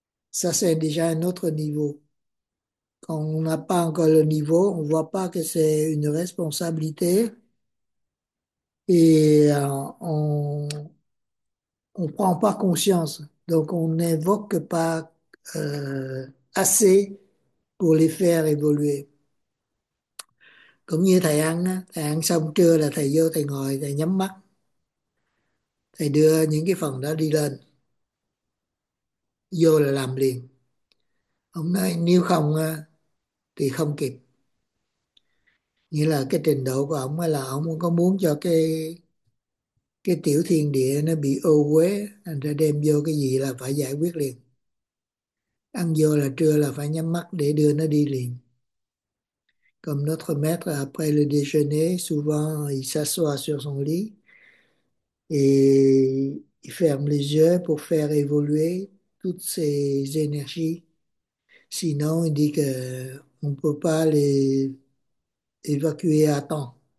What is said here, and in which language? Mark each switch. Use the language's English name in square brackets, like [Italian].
[French] Ça, c'est déjà un autre niveau. Quand on n'a pas encore le niveau, on ne voit pas que c'est une responsabilité et on ne prend pas conscience. Donc, on n'invoque pas assez pour les faire évoluer. [Vietnamese] Cũng như thầy ăn xong trưa là thầy vô thầy ngồi thầy nhắm mắt thầy đưa những cái phần đó đi lên vô là làm liền, ông nói nếu không thì không kịp, nghĩa là cái trình độ của ông là ông không có muốn cho cái tiểu thiên địa nó bị ô uế, anh ra đem vô cái gì là phải giải quyết liền, ăn vô là trưa là phải nhắm mắt để đưa nó đi liền. [French] Comme notre maître, après le déjeuner, souvent il s'assoit sur son lit et il ferme les yeux pour faire évoluer toutes ses énergies. Sinon, il dit que on peut pas les évacuer à temps.